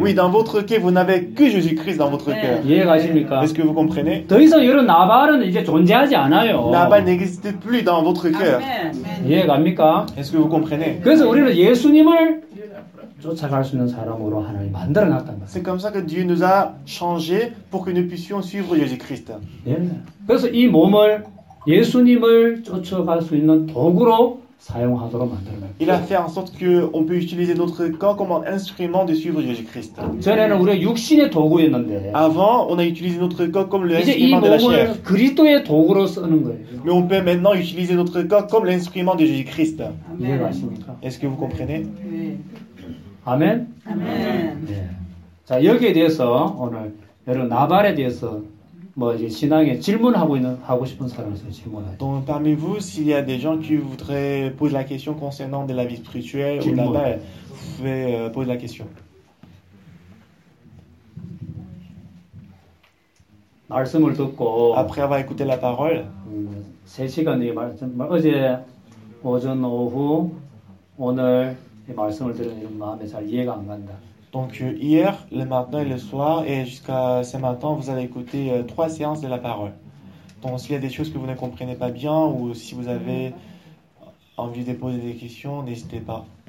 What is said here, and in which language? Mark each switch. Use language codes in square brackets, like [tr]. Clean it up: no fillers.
[fr] Oui, dans votre cœur, vous n'avez que Jésus-Christ dans votre cœur. [ko] 이해가십니까? [fr] Est-ce que vous comprenez? [ko] 더 이상 이런 나발은 이제 존재하지 않아요. [fr] Nabal n'existe plus dans votre cœur. [ko] 이해갑니까? [fr] Est-ce que vous comprenez? [ko] 그래서 우리는 예수님을 쫓아갈 수 있는 사람으로 하나님 만들어 놨단 말이야. [fr] C'est comme ça que Dieu nous a changé pour que nous puissions suivre Jésus-Christ. [ko] 그래서 이 몸을 예수님을 쫓아갈 수 있는 도구로 사용하도록 만들어 놨어. [fr] Il a fait en sorte que on peut utiliser notre corps comme un instrument de suivre Jésus-Christ. [ko] 전에는 우리 육신의 도구였는데. [fr] Avant, on a utilisé notre corps comme l'instrument de la chair. [ko] 이제 이 몸을 그리스도의 도구로 쓰는 거예요. [fr] Mais on peut maintenant utiliser notre corps comme l'instrument de Jésus-Christ. [ko] 이해가십니까? [fr] Est-ce que vous comprenez? [ko] 아멘. 아멘. 예. 자, 여기에 대해서 오늘 여러분 나발에 대해서 뭐 이제 신앙에 질문하고 있는 하고 싶은 사람에서 질문하세요. [fr] Donc parmi vous, s'il y a des gens qui voudraient poser la question concernant de la vie spirituelle [ko] 질문. [fr] ou Nabal, vous pouvez poser la question. [ko] 말씀을 듣고 [fr] Après avoir écouté la parole, [ko] 3시간 뒤에 말씀 어제 오전 오후 오늘 말씀을 들은 이런 마음에 잘 이해가 안 간다. [fr] Donc hier, le matin et le soir et jusqu'à ce matin, vous avez écouté trois séances de la parole. Donc s'il y a des choses que vous ne comprenez pas bien ou si vous avez envie de poser des questions, n'hésitez pas.